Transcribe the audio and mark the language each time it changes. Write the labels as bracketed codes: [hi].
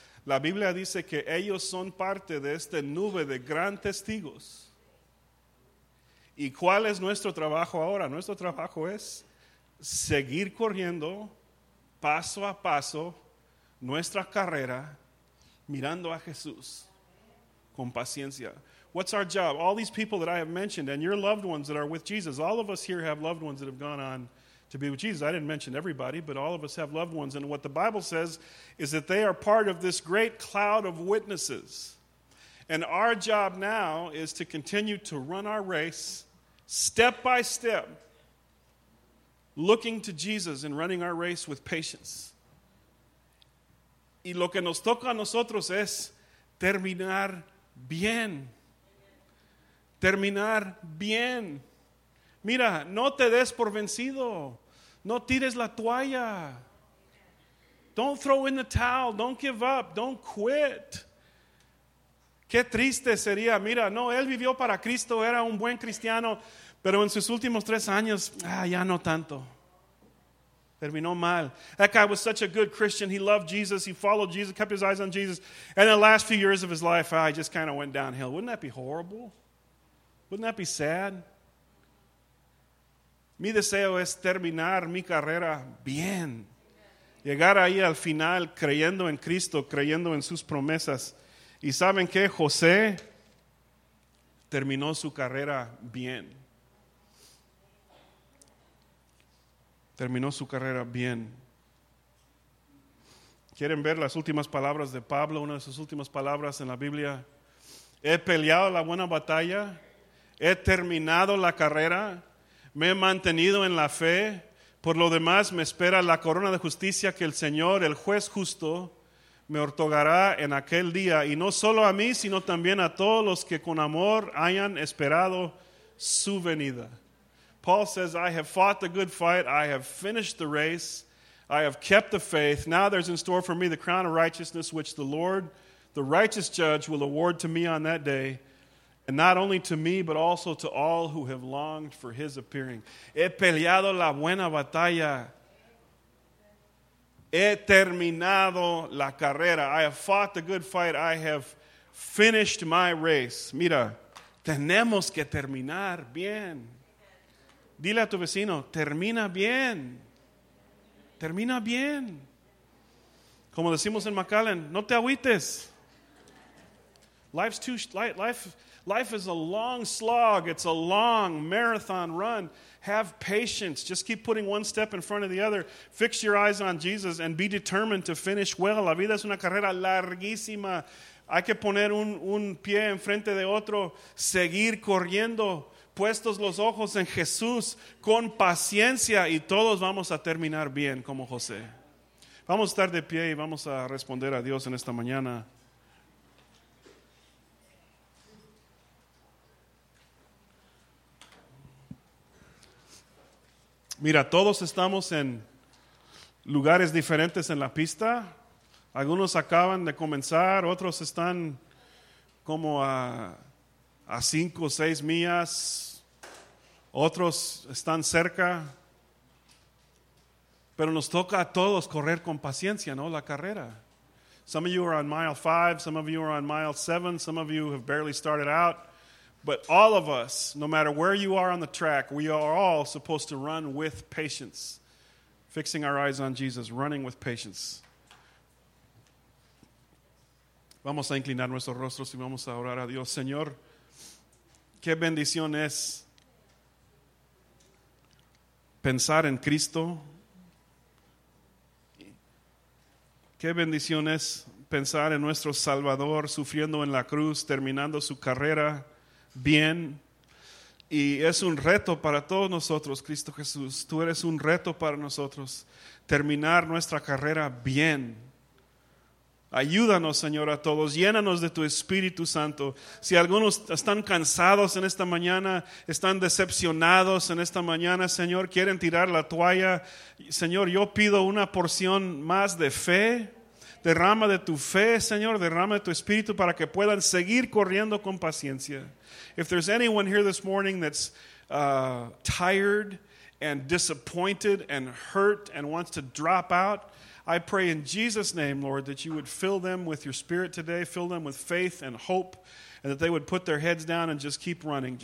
[es] La Biblia dice que ellos son parte de esta nube de gran testigos. ¿Y cuál es nuestro trabajo ahora? Nuestro trabajo es seguir corriendo paso a paso nuestra carrera mirando a Jesús con paciencia. [en] What's our job? All these people that I have mentioned and your loved ones that are with Jesus, all of us here have loved ones that have gone on to be with Jesus. I didn't mention everybody, but all of us have loved ones. And what the Bible says is that they are part of this great cloud of witnesses. And our job now is to continue to run our race step by step, looking to Jesus and running our race with patience. [es] Y lo que nos toca a nosotros es terminar bien. Terminar bien. Mira, no te des por vencido. No tires la toalla. [en] Don't throw in the towel. Don't give up. Don't quit. [es] Qué triste sería. Mira, no, él vivió para Cristo. Era un buen cristiano. Pero en sus últimos 3 años, ya no tanto. Terminó mal. [en] That guy was such a good Christian. He loved Jesus. He followed Jesus. Kept his eyes on Jesus. And the last few years of his life, he just kind of went downhill. Wouldn't that be horrible? Wouldn't that be sad? [es] Mi deseo es terminar mi carrera bien. llegar ahí al final creyendo en Cristo, creyendo en sus promesas. Y saben que José terminó su carrera bien. Terminó su carrera bien. ¿Quieren ver las últimas palabras de Pablo? Una de sus últimas palabras en la Biblia. He peleado la buena batalla. He terminado la carrera. Me he mantenido en la fe. Por lo demás, me espera la corona de justicia que el Señor, el juez justo, me otorgará en aquel día. Y no solo a mí, sino también a todos los que con amor hayan esperado su venida. [en] Paul says, I have fought the good fight. I have finished the race. I have kept the faith. Now there's in store for me the crown of righteousness, which the Lord, the righteous judge, will award to me on that day. And not only to me, but also to all who have longed for his appearing. [es] He peleado la buena batalla. He terminado la carrera. [en] I have fought the good fight. I have finished my race. [es] Mira, tenemos que terminar bien. Dile a tu vecino, termina bien. Termina bien. Como decimos en McAllen, no te agüites. [en] Life's too light. Life is a long slog. It's a long marathon run. Have patience. Just keep putting one step in front of the other. Fix your eyes on Jesus and be determined to finish well. [es] La vida es una carrera larguísima. Hay que poner un pie en frente de otro. Seguir corriendo. Puestos los ojos en Jesús con paciencia y todos vamos a terminar bien como José. Vamos a estar de pie y vamos a responder a Dios en esta mañana. Mira, todos estamos en lugares diferentes en la pista. Algunos acaban de comenzar, otros están como a 5 o 6 millas. Otros están cerca, pero nos toca a todos correr con paciencia, ¿no? La carrera. Some of you are on mile 5, some of you are on mile 7, some of you have barely started out. But all of us, no matter where you are on the track, we are all supposed to run with patience. Fixing our eyes on Jesus, running with patience. Vamos a inclinar nuestros rostros y vamos a orar a Dios. Señor, qué bendición es pensar en Cristo. Qué bendición es pensar en nuestro Salvador sufriendo en la cruz, terminando su carrera bien. Y es un reto para todos nosotros, Cristo Jesús. Tú eres un reto para nosotros, terminar nuestra carrera bien. Ayúdanos, Señor, a todos. Llénanos de tu Espíritu Santo. Si algunos están cansados en esta mañana, están decepcionados en esta mañana, Señor, quieren tirar la toalla, Señor, yo pido una porción más de fe. Derrama de tu fe, Señor, derrama de tu Espíritu para que puedan seguir corriendo con paciencia. [en] If there's anyone here this morning that's tired and disappointed and hurt and wants to drop out, I pray in Jesus' name, Lord, that you would fill them with your Spirit today, fill them with faith and hope, and that they would put their heads down and just keep running.